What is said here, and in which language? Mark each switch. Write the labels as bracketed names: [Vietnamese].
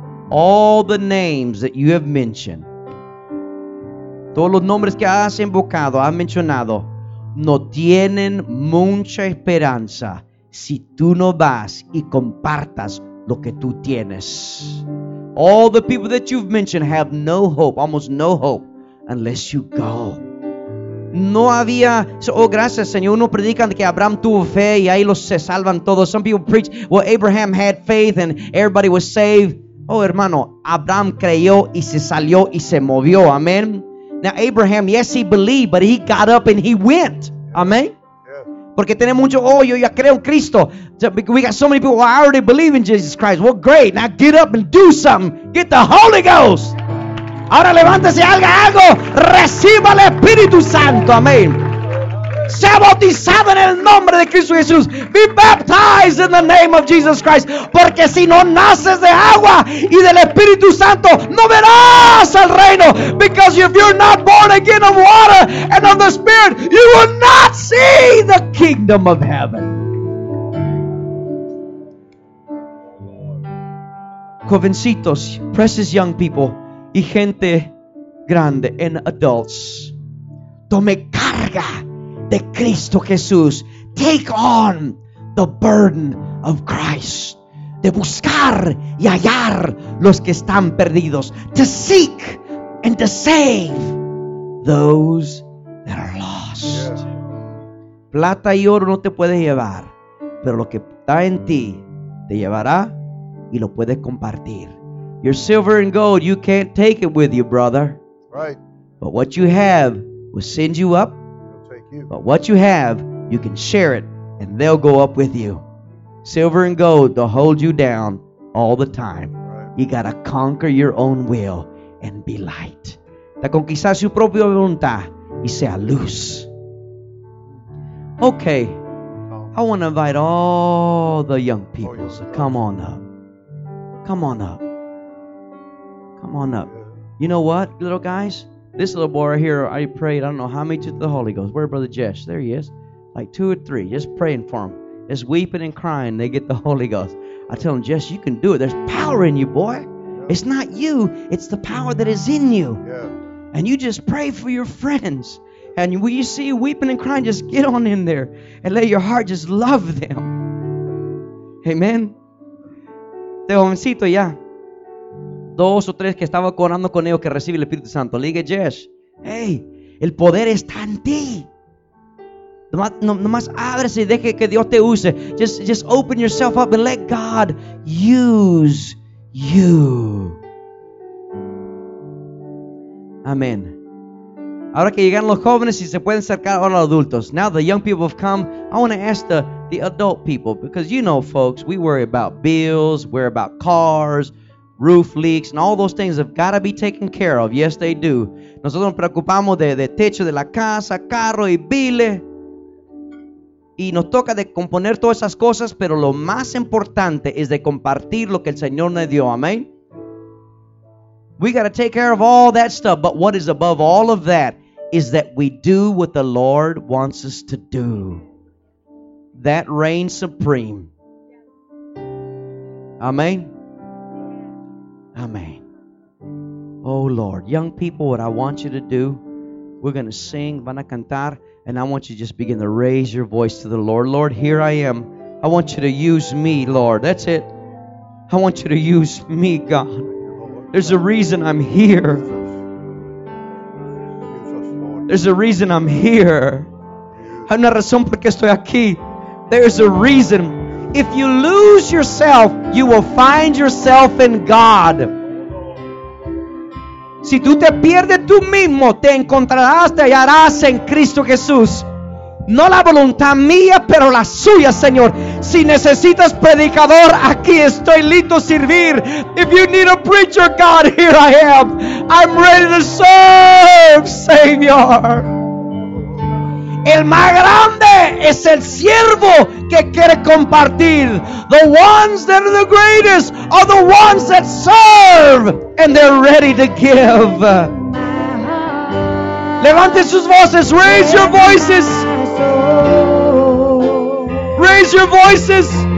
[English] All the names that you have mentioned, [Spanish] todos los nombres que has invocado, has mencionado, no tienen mucha esperanza si tú no vas y compartas lo que tú tienes. [English] All the people that you've mentioned have no hope, almost no hope, unless you go. [Spanish] No había, oh, gracias, Señor. Uno predica que Abraham tuvo fe y ahí los se salvan todos. [English] Some people preach, well, Abraham had faith and everybody was saved. [Spanish] Oh, hermano, Abraham creyó y se salió y se movió. [English] Amen. Now, Abraham, yes, he believed, but he got up and he went. Amen. [Spanish] Porque tenemos mucho, oh, yo ya creo en Cristo. [English] We got so many people, well, I already believe in Jesus Christ. Well, great. Now get up and do something. Get the Holy Ghost. [Spanish] Ahora levántese, haga algo. Reciba el Espíritu Santo. Amén. Sea bautizado en el nombre de Cristo Jesús. [English] Be baptized in the name of Jesus Christ. [Spanish] Porque si no naces de agua y del Espíritu Santo, no verás el reino. [English] Because if you're not born again of water and of the Spirit, you will not see the kingdom of heaven. [Spanish] Jovencitos, [English] precious young people, [Spanish] y gente grande [English] and adults, [Spanish] tome carga de Cristo Jesús. [English] Take on the burden of Christ. [Spanish] De buscar y hallar los que están perdidos. [English] To seek and to save those that are lost. Yeah. [Spanish] plata y oro no te puedes llevar, pero lo que está en ti te llevará y lo puedes compartir. [English] Your silver and gold, you can't take it with you, brother. Right. But what you have will send you up. It'll take you. But what you have, you can share it, and they'll go up with you. Silver and gold, they'll hold you down all the time. Right. You gotta conquer your own will and be light. [Spanish] Da conquistar su propia voluntad y sea luz. [English] Okay, I want to invite all the young people to come on up. Come on up. Come on up. You know what, little guys? This little boy right here, I prayed, I don't know how many to the Holy Ghost. Where Brother Jesh? There he is. Like two or three, just praying for him. Just weeping and crying, they get the Holy Ghost. I tell him, Jesh, you can do it. There's power in you, boy. It's not you. It's the power that is in you. And you just pray for your friends. And when you see you weeping and crying, just get on in there and let your heart just love them. Amen. [Spanish] Este jovencito ya, dos o tres que estaba orando con ellos que recibe el Espíritu Santo. Le dije, Jesh, hey, el poder está en ti. Nomás ábrese y deje que Dios te use. [English] Just open yourself up and let God use you. Amen. [Spanish] Ahora que llegan los jóvenes y se pueden acercar a los adultos. [English] Now the young people have come. I want to ask the adult people, because you know, folks, we worry about bills, worry about cars, roof leaks, and all those things have got to be taken care of. Yes, they do. [Spanish] Nosotros nos preocupamos de techo de la casa, carro y bile. Y nos toca de componer todas esas cosas, pero lo más importante es de compartir lo que el Señor nos dio. Amén. [English] We got to take care of all that stuff. But what is above all of that is that we do what the Lord wants us to do. That reigns supreme. Amen. Amen. Oh, Lord. Young people, what I want you to do, we're going to sing, [Spanish] van a cantar, [English] and I want you to just begin to raise your voice to the Lord. Lord, here I am. I want you to use me, Lord. That's it. I want you to use me, God. There's a reason I'm here. There's a reason I'm here. [Spanish] Hay una razón por qué estoy aquí. [English] There's a reason. If you lose yourself, you will find yourself in God. [Spanish] Si tú te pierdes tú mismo, te encontrarás, te hallarás en Cristo Jesús. No la voluntad mía, pero la suya, Señor. Si necesitas predicador, aquí estoy listo a servir. [English] If you need a preacher, God, here I am. I'm ready to serve, Señor. [Spanish] El más grande es el siervo que quiere compartir. [English] The ones that are the greatest are the ones that serve and they're ready to give. [Spanish] Levante sus voces, [English] raise your voices. Raise your voices.